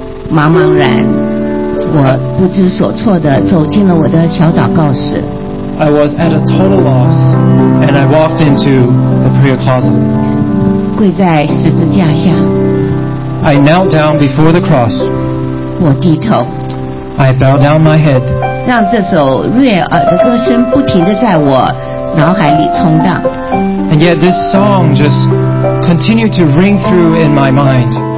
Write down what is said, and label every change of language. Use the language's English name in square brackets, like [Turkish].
[Chinese] 茫茫然，我不知所措地走进了我的小祷告室。 [English] I was at a total loss, and I walked into the prayer closet. [Chinese] 跪在十字架下。 [English] I knelt down before the cross. [Chinese] 我低头。 [English] I bowed down my head. [Chinese] 让这首悦耳的歌声不停地在我脑海里冲荡。 [English] And yet this song just continued to ring through in my mind.